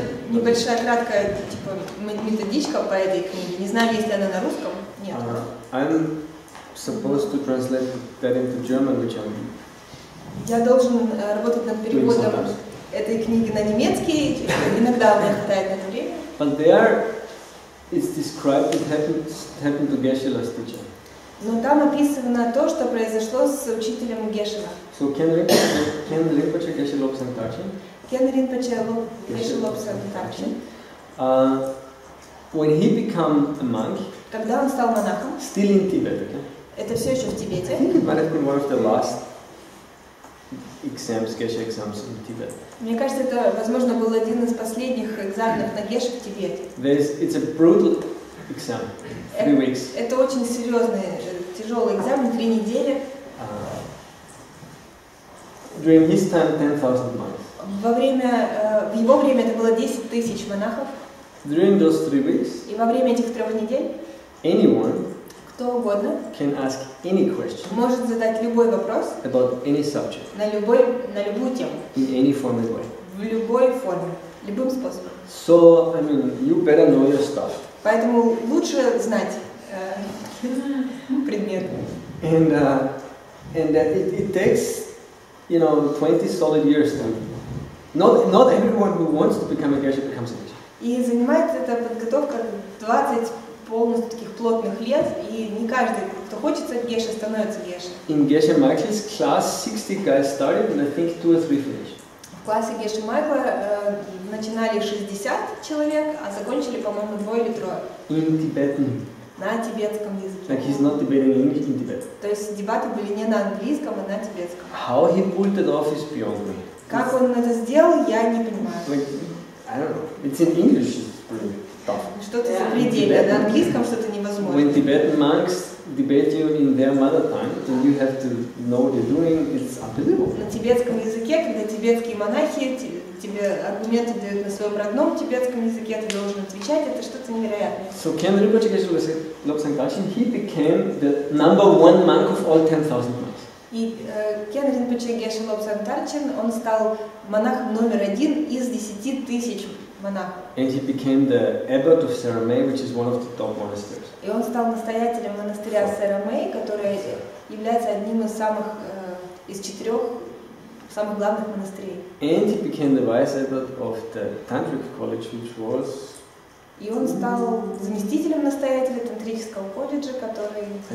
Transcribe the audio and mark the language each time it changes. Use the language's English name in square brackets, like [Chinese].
[Russian] Небольшая краткая типа методичка по этой книге. Не знаю, есть ли она на русском. Нет. [English] I'm supposed to translate that into German, which I'm. [Russian] Я должен работать над переводом этой книги на немецкий. Иногда у меня хватает на время. [English] But there is described what happened to Geshe Last Teacher. [Russian] Но там описано то, что произошло с учителем Геши. [English] So can Rinpoche Geshe Lobsang Tarchin? [Russian] Кен Ринпоче Геши Лобсанг Тарчин. [English] When he became a monk. [Russian] Когда он стал монахом? [English] Still in Tibet. Okay? [Russian] Это все еще в Тибете. [English] I think it might have been one of the last exams, Geshe exams in Tibet. [Russian] Мне кажется, это, возможно, был один из последних экзаменов на Геши в Тибете. [English] It's a brutal exam. Three weeks. [Russian] Это очень серьезный, тяжелый экзамен, три недели. [English] During his time, 10,000 monks. [Russian] В его время это было 10 тысяч монахов. [English] During those 3 weeks. [Russian] И во время этих трех недель. [English] Anyone. [Russian] Кто угодно. [English] Can ask any question. [Russian] Может задать любой вопрос. [English] About any subject. [Russian] На любую тему. [English] In any form and way. [Russian] В любой форме. Любым способом. [English] So, I mean, you better know your stuff. [Russian] Поэтому лучше знать предмет. [English] And it takes, you know, 20 solid years then. Not everyone who wants to become a geisha becomes a geisha. [Russian] И занимает эта подготовка 20 полностью таких плотных лет, и не каждый, кто хочет стать геша, становится геша. [English] In Geshe Michael's class, 60 guys started, and I think 2 or 3 finished. [Russian] В классе Geshe Michael начинали 60 человек, а закончили, по-моему, [English] 2 or 3. In Tibetan. [Russian] На тибетском языке. [English] Like he's not debating English in Tibet. [Russian] То есть дебаты были не на английском, а на тибетском. [English] How he pulled it off is beyond me. [Russian] Как он это сделал, я не понимаю. [English] Like, I don't know. It's in English. It's pretty tough. [Russian] Что-то за пределы. На английском что-то невозможно. [English] When Tibetan monks debate you in their mother tongue, then you have to know what you're doing. It's unbelievable. [Russian] На тибетском языке, когда тибетские монахи тебе аргументы дают на своем родном тибетском языке, ты должен отвечать, это что-то невероятное. [English] So Ken Rinpoche Geshe Lobsang Dachin, he became the number one monk of all 10,000 monks. [Russian] И Кен Ринпоче Геше Лобсанг Дарчин, он стал монахом номер один из 10 000 монахов. [English] And he became the abbot of Saramay, which is one of the top monasteries. [Russian] И он стал настоятелем монастыря Saramay, который является одним из самых из 4 самых главных монастырей. [English] And he became the vice abbot of the Tantric College, which was. [Russian] И он стал заместителем настоятеля тантрического колледжа, который.